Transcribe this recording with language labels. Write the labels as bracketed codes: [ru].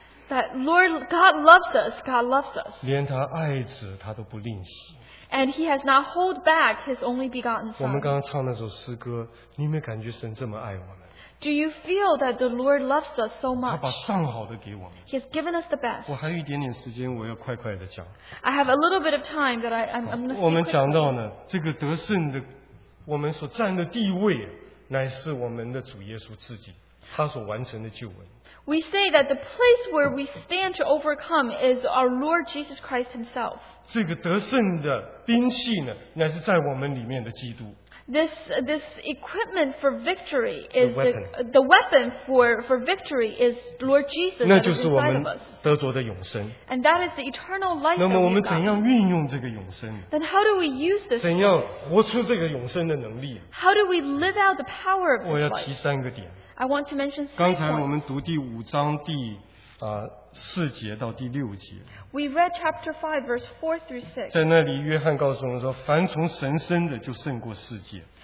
[en] That Lord God loves us, God loves us. [zh] 连他爱子, 他都不吝惜, [en] and He has not held back His only begotten Son. [zh] 我们刚刚唱那首诗歌, 你有没有感觉神这么爱我们? [en] Do you feel that the Lord loves us so much? [zh] 他把上好的给我们, [en] He has given us the best. [zh] 我还有一点点时间, 我要快快地讲, [en] I have a little bit of time that I'm going to speak. [zh] 我们讲到呢, 这个得胜的, 我们所占的地位, 乃是我们的主耶稣自己, 他所完成的救恩。 [en] We say that the place where we stand to overcome is our Lord Jesus Christ Himself. [zh] 这个得胜的兵器呢, 乃是在我们里面的基督。 [en] This equipment for victory is the weapon for victory is Lord Jesus that is inside of us. And that is the eternal life that we have. Then how do we use this? [zh] 怎样活出这个永生的能力? [en] How do we live out the power of this life? I want to mention three points. [zh] 刚才我们读第五章第, 四节到第六节, [en] we read chapter 5, verse 4 through 6. [zh] 在那里约翰告诉我们说, 凡从神生的就胜过世界。